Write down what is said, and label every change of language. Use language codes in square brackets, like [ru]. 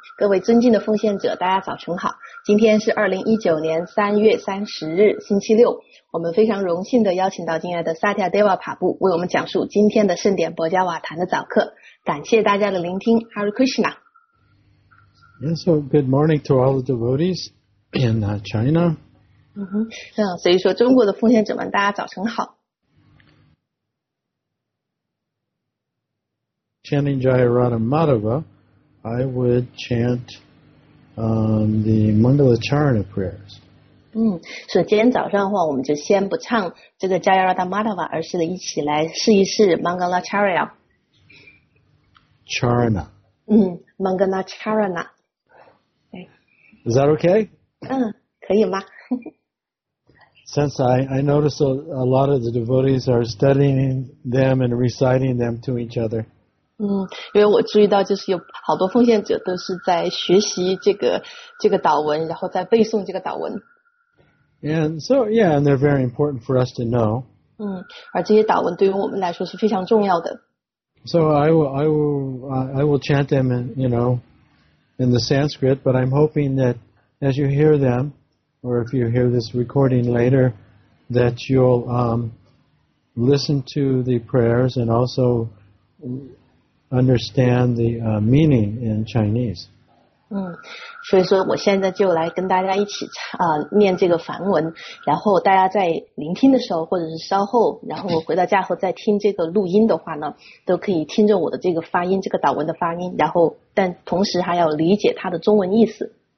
[zh] 各位尊敬的奉献者，大家早晨好。今天是2019年3月30日，星期六。我们非常荣幸地邀请到敬爱的萨提亚·德瓦帕布为我们讲述今天的盛典博加瓦坛的早课。感谢大家的聆听。Hare Krishna. [en] Yeah, so good morning to all the devotees in China. [zh] 所以说中国的奉献者们，大家早晨好。 [en] Chanting Jayarada Madhava, I would chant the Mangala Charana prayers. [zh] 所以今天早上的话，我们就先不唱这个 Jayarada Madhava， 而是一起来试一试 Mangala Charana。 [en] Charana. Mangala Charana. Is that okay? [zh] 可以吗？ [en] Since I notice a lot of the devotees are studying them and reciting them to each other. [zh] 因为我注意到就是有好多奉献者都是在学习这个祷文，然后在背诵这个祷文。 [en] And so, yeah, and they're very important for us to know. [zh] 而这些祷文对于我们来说是非常重要的。 [en] So I will chant them in, you know, in the Sanskrit, but I'm hoping that as you hear them, or if you hear this recording later, that you'll listen to the prayers and also... understand the meaning in Chinese. [zh] 所以说我现在就来跟大家一起念这个梵文，然后大家在聆听的时候或者是稍后，然后回到家后再听这个录音的话呢，都可以听着我的这个发音，这个祷文的发音，然后但同时还要理解它的中文意思。